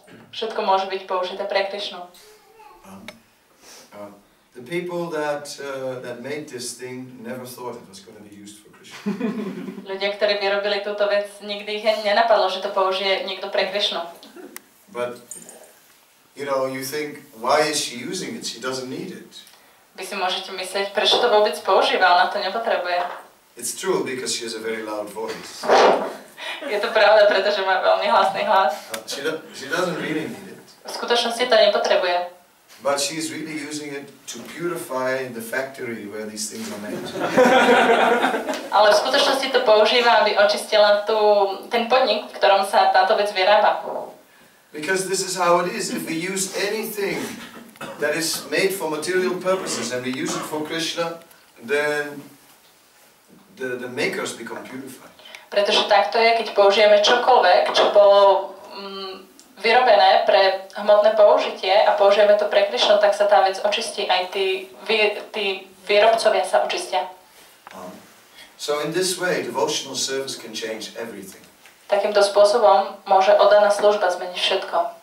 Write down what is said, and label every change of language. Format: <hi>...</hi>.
<sk>Všetko môže byť použité pre Krišnu.</sk> <en>The people that that made this thing never thought it was going to be used for Krishna.</en> <sk>Ľudia, ktorí vyrobili túto vec, nikdy ich nenapadlo, že to použije niekto pre Krišnu.</sk> <en>But you know, you think, why is she using it? She doesn't need it.</en> <sk>Vy si môžete myslieť, prečo to vôbec používa, ona to nepotrebuje.</sk> <en>It's true, because she has a very loud voice.</en> <sk>Je to pravda, pretože má veľmi hlasný hlas.</sk> <en>She doesn't really need it.</en> <sk>V skutočnosti to nepotrebuje.</sk> <en>But she is really using it to purify the factory where these things are made.</en> <sk>Ale v skutočnosti to používa, aby očistila tú, ten podnik, v ktorom sa táto vec vyrába.</sk> <en>Because this is how it is, if we use anything that is made for material purposes and we use it for Krishna, then the makers become purified.</en> <sk>Pretože takto je, keď použijeme čokoľvek, čo bolo vyrobené pre hmotné použitie a použijeme to pre Krishna, tak sa tá vec očistí, aj tí výrobcovia sa očistia.</sk> <en>So in this way, devotional service can change everything.</en> <sk>Takýmto spôsobom môže oddaná služba zmeniť všetko.</sk>